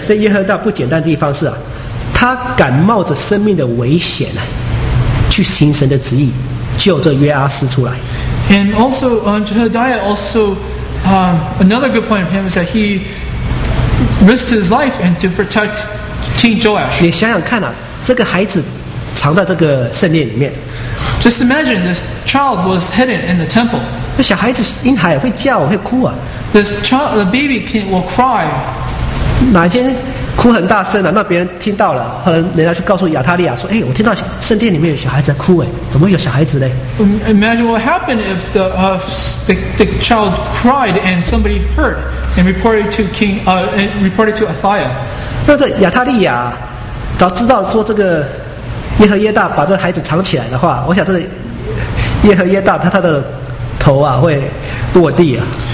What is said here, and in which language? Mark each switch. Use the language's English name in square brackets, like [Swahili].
[Chinese] 这耶和大不简单的地方是啊，他敢冒着生命的危险呢，去行神的旨意，救这约阿斯出来。 [English] And also, Jehadiah also, another good point of him is that he risked his life and to protect King Joash. [Chinese] 你想想看啊，这个孩子藏在这个圣殿里面。 [English] Just imagine this child was hidden in the temple. [Chinese] 那小孩子婴孩会叫会哭啊。 [English] This child, the baby king will cry. [Chinese] 哪一天哭很大声啊，那别人听到了，后来人家去告诉亚塔利亚说，哎，我听到圣殿里面有小孩子在哭，哎，怎么有小孩子呢？ [English] Imagine what happened if the child cried and somebody heard and reported to Athaliah. [Chinese] 那这亚塔利亚早知道说这个耶和耶大把这孩子藏起来的话，我想这个耶和耶大他的头啊会落地啊。